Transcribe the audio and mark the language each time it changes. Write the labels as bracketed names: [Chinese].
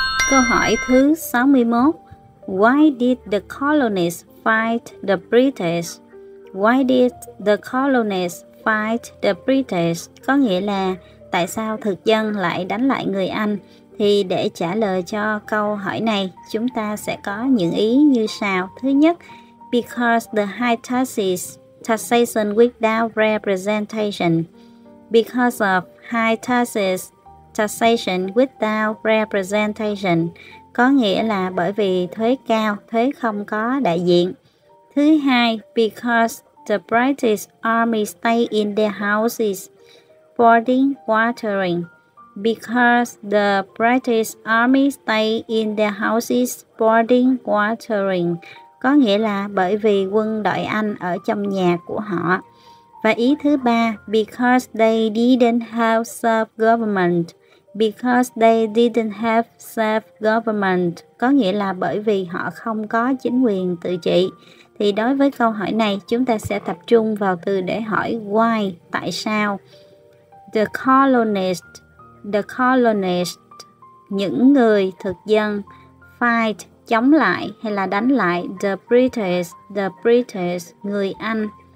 [Vietnamese] Câu hỏi thứ 61. [English] Why did the colonists fight the British? Why did the colonists fight the British? [Vietnamese] Có nghĩa là tại sao thực dân lại đánh lại người Anh? Thì để trả lời cho câu hỏi này, chúng ta sẽ có những ý như sau. Thứ nhất, [English] because the high taxes, taxation without representation. Because of high taxes, taxation without representation, [Vietnamese] có nghĩa là bởi vì thuế cao, thuế không có đại diện. Thứ hai, [English] because the British army stay in their houses, boarding, watering. [Vietnamese] Because the British army stay in their houses, boarding, watering, có nghĩa là bởi vì quân đội Anh ở trong nhà của họ. Và ý thứ ba, [English] because they didn't have self-government. [Vietnamese] Because they didn't have self-government, có nghĩa là bởi vì họ không có chính quyền tự trị. Thì đối với câu hỏi này, chúng ta sẽ tập trung vào từ để hỏi why, tại sao. The colonists, những người thực dân, fight, chống lại hay là đánh lại the British, người Anh.